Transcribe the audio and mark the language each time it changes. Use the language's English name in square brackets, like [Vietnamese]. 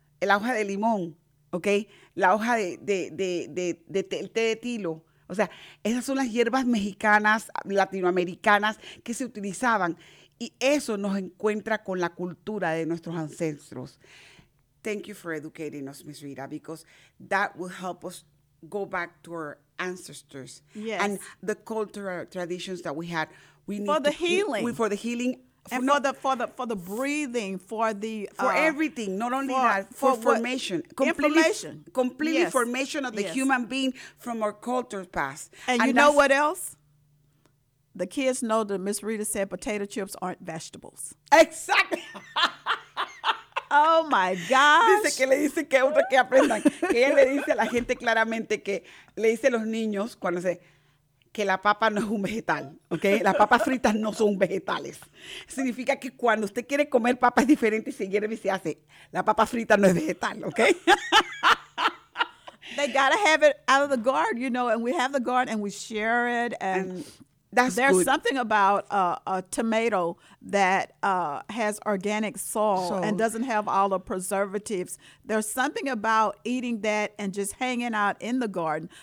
[Spanish] La hoja de limón, ¿ok? La hoja el té de tilo. O sea, esas son las hierbas mexicanas, latinoamericanas, que se utilizaban. Y eso nos encuentra con la cultura de nuestros ancestros. [English] Thank you for educating us, Ms. Rita, because that will help us go back to our ancestors. Yes. And the cultural traditions that we had. We need for the healing. For the healing. And for the breathing, for the for everything, not only that, for formation, completely yes. formation of the yes. human being from our culture past. And you know what else? The kids know that Miss Rita said potato chips aren't vegetables. Exactly. Oh my gosh. [Spanish] Dice que le dice que otro que aprendan. Que ella le dice a la gente claramente que le dice a los niños cuando se que la papa no es un vegetal, ¿ok? Las papas fritas no son vegetales. Significa que cuando usted quiere comer papa es diferente y se hierve y se hace. La papa frita no es vegetal, ¿ok? [English] They gotta have it out of the garden, you know, and we have the garden and we share it. And that's there's good. Something about a tomato that has organic salt and doesn't have all the preservatives. There's something about eating that and just hanging out in the garden.